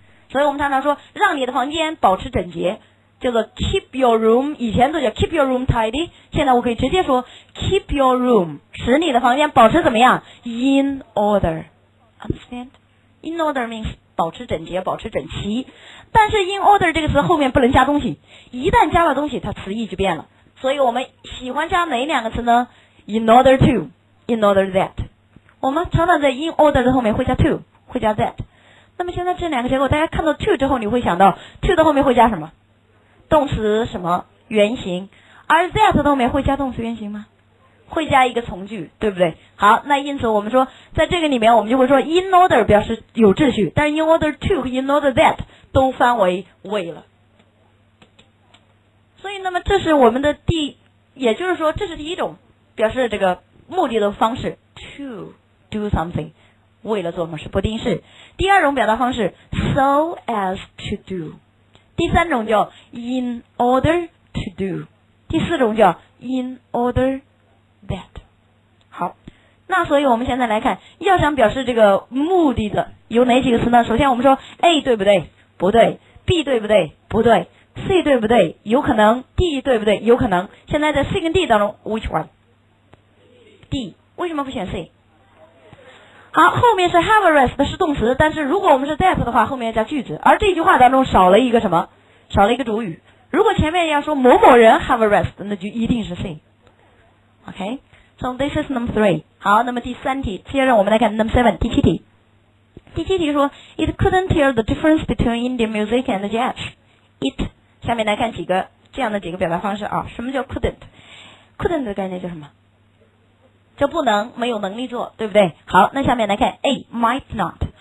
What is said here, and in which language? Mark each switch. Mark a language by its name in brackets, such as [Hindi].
[Chinese] 所以我们常常说让你的房间保持整洁，叫做 keep your room， 以前都叫 keep your room tidy，现在我可以直接说 keep your room， 使你的房间保持怎么样， in order， understand？ in order means 保持整洁，保持整齐。但是 in order 这个词后面不能加东西，一旦加了东西它词义就变了，所以我们喜欢加哪两个词呢？ in order to， in order that，我们常常在 in order 的后面会加 to， 会加 that。那么现在这两个结构大家看到 to 之后，你会想到 to 的后面会加什么动词，什么原型，而 that 的后面会加动词原型吗？会加一个从句，对不对？好，那因此我们说在这个里面我们就会说 in order 表示有秩序，但是 in order to 和 in order that 都翻为为了。所以那么这是我们的第，也就是说这是第一种表示这个目的的方式 to do something， 为了做某事，不定式。第二种表达方式 so as to do， 第三种叫 in order to do， 第四种叫 in order that。好，那所以我们现在来看，要想表示这个目的的有哪几个词呢？首先我们说 A 对不对？不对。B 对不对？不对。C 对不对？有可能。D 对不对？有可能。现在在 C 跟 D 当中 which one？ D 为什么不选 C？好，后面是 have a rest 是动词，但是如果我们是 that 的话，后面要加句子，而这句话当中少了一个什么？少了一个主语。如果前面要说某某人 have a rest， 那就一定是 C。 [English] OK， so this is number three。 [Chinese] 好，那么第三题，接着我们来看 number seven， 第七题。第七题说 it couldn't hear the difference between Indian music and jazz。 it 下面来看几个这样的几个表达方式啊。什么叫 couldn't？ couldn't 的概念叫什么？就不能，没有能力做，对不对？好，那下面来看 A might not。